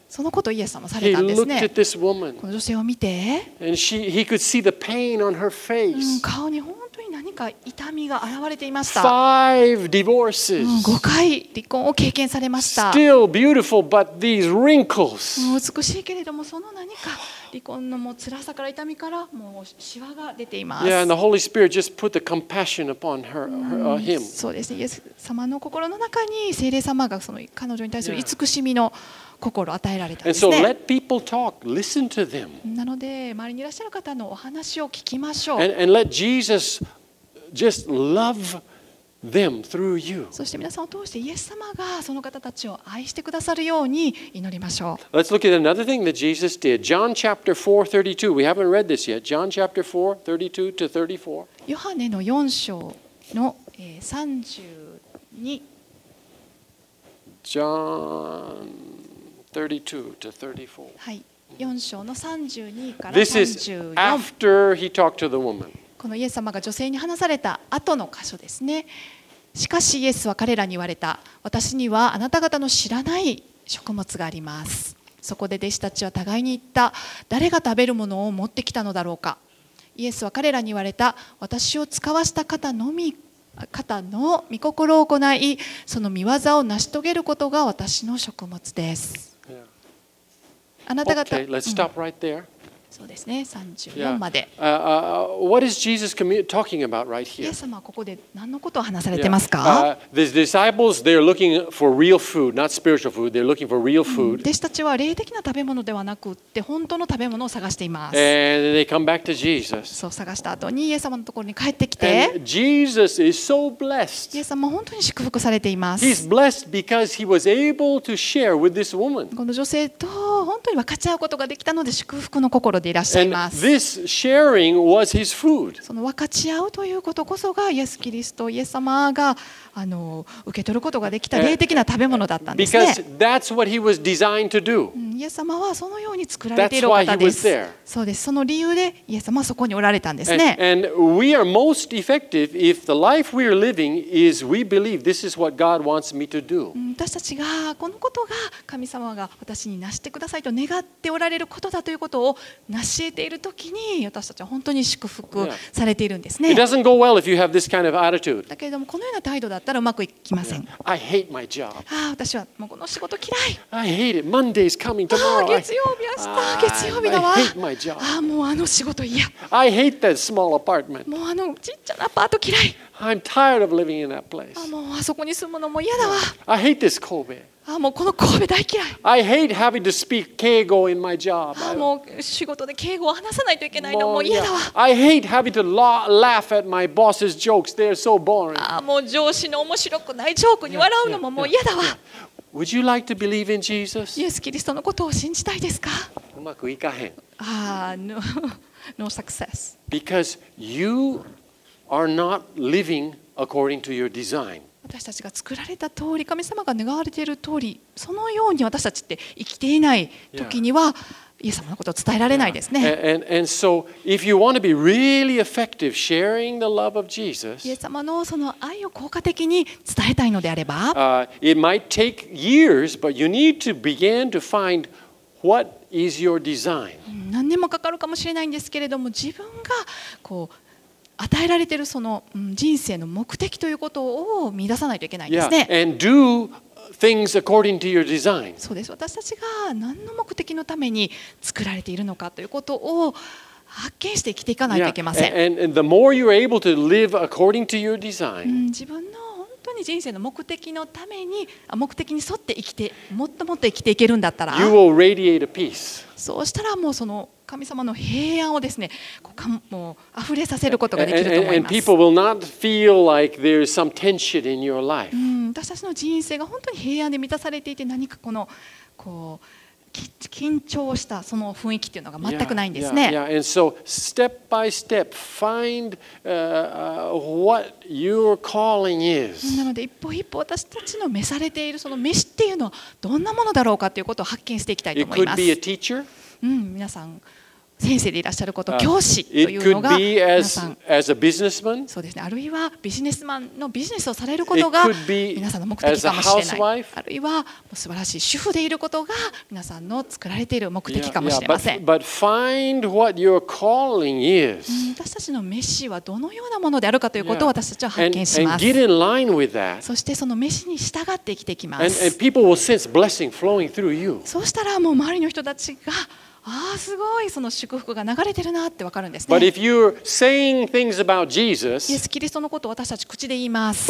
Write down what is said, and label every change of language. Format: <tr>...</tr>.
<ja>そのことをイエス様されたんですね。この女性を見て顔に本当に何か痛みが現れていました。 5回離婚を経験されました。美しいけれどもその何か離婚のもう辛さから痛みからもうシワが出ています。</ja> <en>And the Holy Spirit just put the compassion upon her, him.</en> <ja>そうですね、イエス様の心の中に聖霊様がその彼女に対する慈しみの心を与えられたんですね。</ja> <en>And so let talk. Listen to them.</en> <ja>なので周りにいらっしゃる方のお話を聞きましょう。</ja> <en>and let Jesus just love them through you.</en> <ja>そして皆さんを通してイエス様がその方たちを愛してくださるように祈りましょう。</ja> <en>Let's look at another thing that Jesus did. John chapter 4:32. We haven't read this yet. John chapter 4:32 to 34.</en> <ja>ヨハネの4章の32。</ja> <en>John 32 to 34.</en> <ja>はい、4章の32から34。</ja> <en>This is after he talked to the woman.</en> <ja>このイエス様が女性に話された後の箇所ですね。しかしイエスは彼らに言われた。私にはあなた方の知らない食物があります。そこで弟子たちは互いに言った。誰が食べるものを持ってきたのだろうか。イエスは彼らに言われた。私を使わした方の御心を行い、その御業を成し遂げることが私の食物です。あなた方、</ja> <en>okay, let's stop right there.</en> <ja>そうですね、34まで。</ja> <en>What is Jesus talking about right here?</en> <ja>イエス様はここで何のことを話されてますか？</ja> <en>The disciples, they're looking for real food, not spiritual food. They're looking for real food.</en> <ja>弟子たちは霊的な食べ物ではなくって本当の食べ物を探しています。</ja> <en>And they come back to Jesus.</en> <ja>そう探した後にイエス様のところに帰ってきて、</ja> <en>Jesus is so blessed.</en> <ja>イエス様は本当に祝福されています。</ja> <en>He's blessed because he was able to share with this woman.</en> <ja>この女性と本当に分かち合うことができたので祝福の心。</ja> <en>And this sharing was his food.</en> <ja>その分かち合うということこそがイエス・キリスト、イエス様が受け取ることができた霊的な食べ物だったんですね。</ja> <en>Because that's what he was designed to do.</en> <ja>イエス様はそのように作られている方です。</ja> <en>That's why he was there.</en> <ja>そうです。その理由でイエス様はそこにおられたんですね。</ja> <en>And we are most effective if the life we are living is we believe this is what God wants me to do.</en> <ja>私たちがこのことが神様が私に成してくださいと願っておられることだということを成し得ているときに私たちは本当に祝福されているんですね。</ja> <en>It doesn't go well if you have this kind of attitude.</en> <ja>だけれどもこのような態度だったらうまくいきません。</ja> <en>I hate my job.</en> <ja>私はもうこの仕事嫌い。</ja> <en>I hate it. Monday's coming tomorrow.</en> <ja>月曜日、明日、月曜日だわ。</ja> <en>I hate my job.</en> <ja>もうあの仕事嫌。</ja> <en>I hate that small apartment.</en> <ja>もうあのちっちゃなアパート嫌い。</ja> <en>I'm tired of living in that place.</en> <ja>もうあそこに住むのも嫌だわ。</ja> <en>I hate this Kobe.</en> <ja>もうこの神戸大嫌い。</ja> <en>I hate having to speak 敬語 in my job.</en> <ja>もう仕事で敬語を話さないといけないのもう嫌だわ。</ja> <en>I hate having to laugh at my boss's jokes. They're so boring.</en> <ja>もう上司の面白くないジョークに笑うのももう嫌だわ。</ja> <en>Would you like to believe in Jesus?</en> <ja>イエス・キリストのことを信じたいですか？うまくいかへん。</ja> <en>No success. Because you are not living according to your design.</en> <ja>私たちが作られた通り、神様が願われている通り、そのように私たちって生きていない時には、イエス様のことを伝えられないですね。</ja> <en>And so, if you want to be really effective sharing the love of Jesus,</en> <ja>イエス様のその愛を効果的に伝えたいのであれば、</ja> <en>it might take years, but you need to begin to find what is your design.</en> <ja>何年もかかるかもしれないんですけれども、自分がこう、与えられているその人生の目的ということを見出さないといけないですね。</ja> <en>Yeah, and do things according to your design.</en> <ja>そうです。私たちが何の目的のために作られているのかということを発見して生きていかないといけません。</ja> <en>Yeah, and the more you're able to live according to your design,</en> <ja>自分の本当当に人生の目的のために目的に沿って生きてもっともっと生きていけるんだったら</ja> <en>you will radiate a peace.</en> <ja>そうしたらもうその神様の平安をですねこうかもう溢れさせることができると思います</ja> <en>and people will not feel like there is some tension in your life.</en> <ja>私たちの人生が本当に平安で満たされていて何かこのこう緊張したその雰囲気というのが全くないんですね。</ja> <en>Yeah, yeah, yeah. And so step by step, find what your calling is.</en> <ja>なので一歩一歩私たちの召されているその召しっていうのはどんなものだろうかということを発見していきたいと思います。</ja> <en>It could be a teacher.</en> <ja>皆さん先生でいらっしゃること、教師というのが皆さん。</ja> <en>It could be as a businessman.</en> <ja>そうですね。あるいはビジネスマンのビジネスをされることが皆さんの目的かもしれない。</ja> <en>It could be as a housewife.</en> <ja>あるいは素晴らしい主婦でいることが皆さんの作られている目的かもしれません。</ja> <en>But find what your calling is.</en> <ja>私たちの召しはどのようなものであるかということを私たちは発見します。</ja> <en>And get in line with that.</en> <ja>そしてその召しに従って生きていきます。</ja> <en>And people will sense blessing flowing through you.</en> <ja>そうしたらもう周りの人たちがああすごいその祝福が流れてるなって分かるんですね。イエス・ キリストのことを私たち口で言います。</ja>